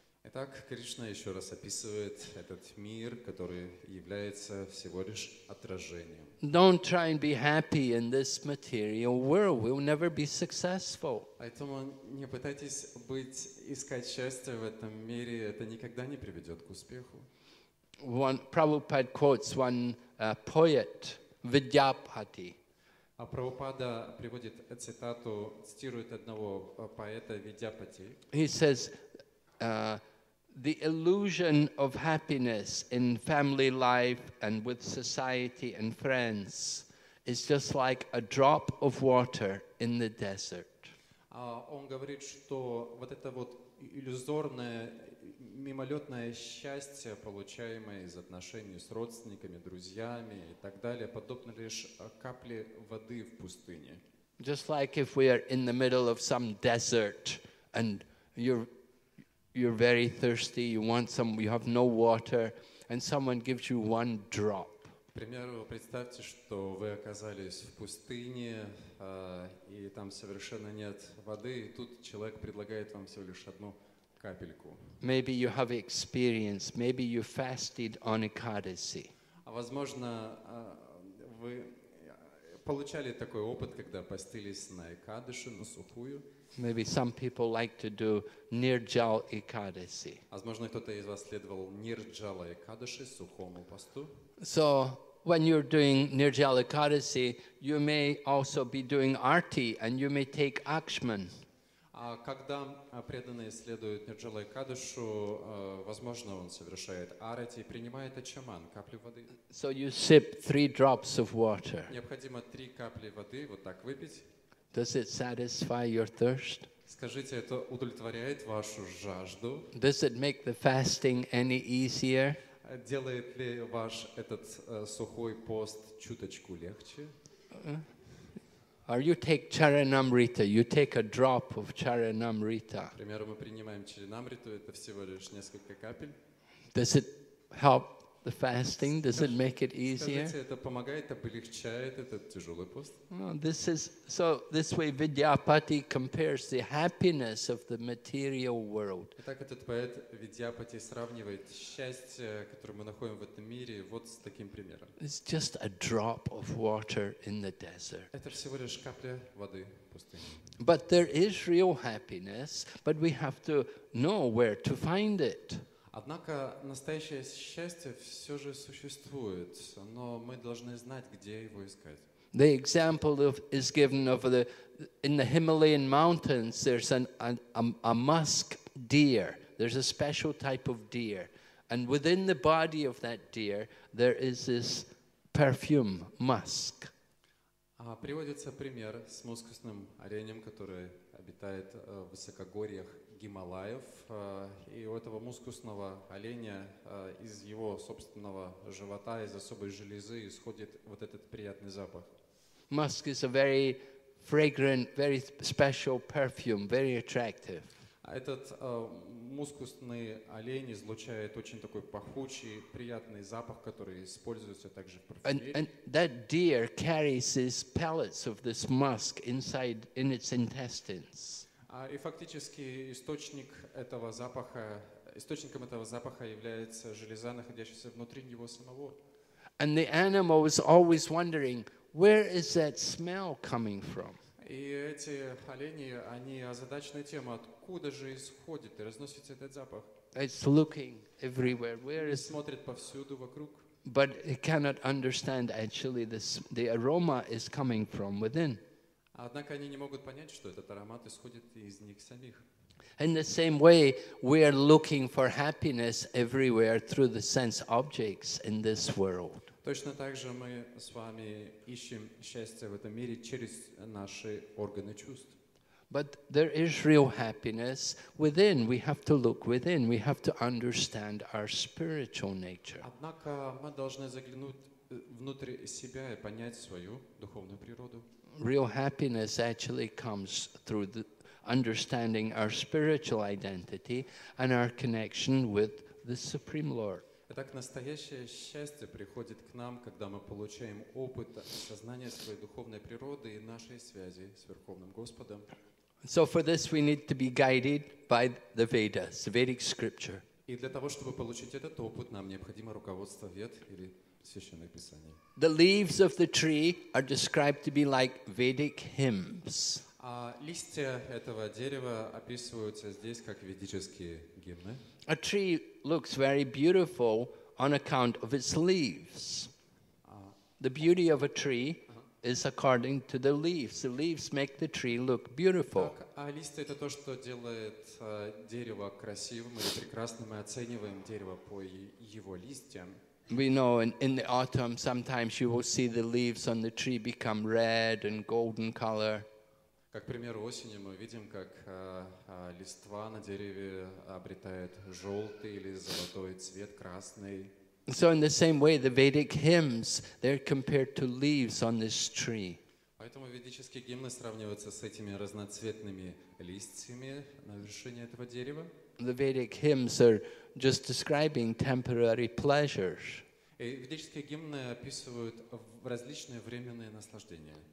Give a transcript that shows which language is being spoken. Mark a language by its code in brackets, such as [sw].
[ru] Итак, Кришна еще раз описывает этот мир, который является всего лишь отражением. [en] Don't try and be happy in this material world. We'll never be successful. [ru] Поэтому не пытайтесь быть, искать счастье в этом мире. Это никогда не приведет к успеху. [en] Prabhupada quotes one poet, Vidyapati. [ru] А Прабхупада приводит цитату, цитирует одного поэта, Vidyapati. [en] He says, the illusion of happiness in family life and with society and friends is just like a drop of water in the desert. [ru] Он говорит, что вот это вот иллюзорное, мимолетное счастье, получаемое из отношений с родственниками, друзьями и так далее, подобно лишь капле воды в пустыне. [en] Just like if we are in the middle of some desert and you're very thirsty, you want some, you have no water, and someone gives you one drop. [ru] К примеру, представьте, что вы оказались в пустыне, и там совершенно нет воды, и тут человек предлагает вам всего лишь одну капельку. [en] Maybe you have experience, maybe you fasted on Ekadasi. [ru] Возможно, вы получали такой опыт, когда постились на Экадаши, на сухую. [en] Maybe some people like to do Nirjal Ekadasi. [ru] Возможно, кто-то из вас следовал Нирджала Экадаши, сухому посту. [en] So, when you're doing Nirjal Ekadasi, you may also be doing Arti and you may take Akshman. [ru] А когда преданные следуют Нирджала Экадашу, возможно, он совершает Арати и принимает Ачаман, каплю воды. [en] So you sip three drops of water. [ru] Необходимо три капли воды вот так выпить. [en] Does it satisfy your thirst? [ru] Скажите, это удовлетворяет вашу жажду? [en] Does it make the fasting any easier? [ru] Делает ли ваш этот сухой пост чуточку легче? [en] Or you take Charanamrita, you take a drop of Charanamrita. [ru] Например, мы принимаем Чаранамриту, это всего лишь несколько капель. [en] Does it help the fasting? Does it make it easier? [ru] Скажите, это помогает, облегчает этот тяжелый пост? [en] No, this is, so this way Vidyapati compares the happiness of the material world. [ru] Итак, этот поэт Vidyapati сравнивает счастье, которое мы находим в этом мире, вот с таким примером. [en] It's just a drop of water in the desert. [ru] Это всего лишь капля воды в пустыне. [en] But there is real happiness, but we have to know where to find it. [ru] Однако настоящее счастье все же существует, но мы должны знать, где его искать. [en] The example of, is given of the in the Himalayan mountains. There's a musk deer. There's a special type of deer, and within the body of that deer there is this perfume musk. [ru] Приводится пример с мускусным оленем, который обитает в высокогорьях Гималаев, и у этого мускусного оленя из его собственного живота, из особой железы исходит вот этот приятный запах. [en] Musk is a very fragrant, very special perfume, very attractive. [ru] Этот мускусный олень излучает очень такой пахучий, приятный запах, который используется также в парфюмерии. [en] And that deer carries these pellets of this musk inside in its intestines. [ru] И фактически источником этого запаха является железа, находящаяся внутри него самого. [en] And the animal is always wondering, where is that smell coming from? [ru] И эти олени, они озадачены тем, откуда же исходит и разносится этот запах. [en] It's looking everywhere. Where is? [ru] Смотрит повсюду вокруг. [en] But it cannot understand actually the aroma is coming from within. [ru] Однако они не могут понять, что этот аромат исходит из них самих. [en] In the same way, we are looking for happiness everywhere through the sense objects in this world. [ru] Точно так же мы с вами ищем счастье в этом мире через наши органы чувств. [en] But there is real happiness within. We have to look within. We have to understand our spiritual nature. [ru] Однако мы должны заглянуть внутрь себя и понять свою духовную природу. [en] Real happiness actually comes through the understanding our spiritual identity and our connection with the Supreme Lord. [ru] Итак, настоящее счастье приходит к нам, когда мы получаем опыт осознания своей духовной природы и нашей связи с Верховным Господом. [en] So for this we need to be guided by the Vedas, the Vedic scripture. [ru] И для того, чтобы получить этот опыт, нам необходимо руководство Вед или Священное Писание. [en] The leaves of the tree are described to be like Vedic hymns. [ru] Листья этого дерева описываются здесь как ведические гимны. [en] A tree looks very beautiful on account of its leaves. The beauty of a tree is according to the leaves. The leaves make the tree look beautiful. [ru] А листья — это то, что делает дерево красивым или прекрасным. Мы оцениваем дерево по его листьям. [en] We know in the autumn sometimes you will see the leaves on the tree become red and golden color. [ru] Как пример, осенью мы видим, как листва на дереве обретает желтый или золотой цвет, красный. [en] So in the same way, the Vedic hymns, they're compared to leaves on this tree. [ru] Поэтому ведические гимны сравниваются с этими разноцветными листьями на вершине этого дерева. [en] The Vedic hymns are just describing temporary pleasures. [ru] Ведические гимны описывают различные временные наслаждения.